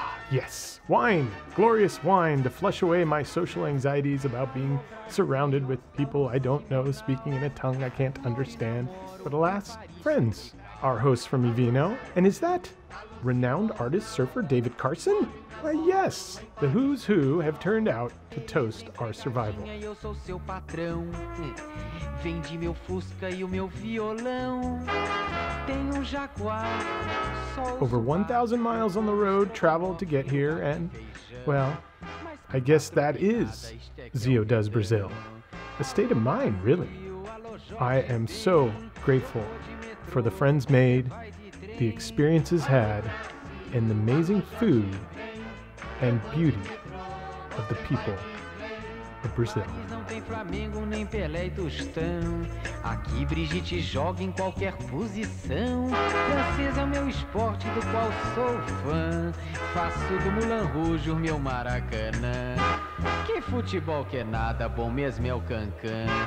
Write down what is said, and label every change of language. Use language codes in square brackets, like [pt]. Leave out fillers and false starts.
[en] Yes, wine, glorious wine to flush away my social anxieties about being surrounded with people I don't know, speaking in a tongue I can't understand. But alas, friends, our host from Ivino. And is that renowned artist surfer David Carson? Why, yes, the who's who have turned out to toast our survival. [pt] Vendi meu Fusca e o meu violão. Tenho Jaguar. [en] Over 1,000 miles on the road traveled to get here, and, well, I guess that is Zio Does Brazil. A state of mind, really. I am so grateful for the friends made, the experiences had, and the amazing food and beauty of the people of Brazil. [pt] Não tem Flamengo, nem Pelé e Tostão. Aqui Brigitte joga em qualquer posição. Francês é o meu esporte do qual sou fã. Faço do Moulin Rouge o meu Maracanã. Que futebol que é nada, bom mesmo é o cancan.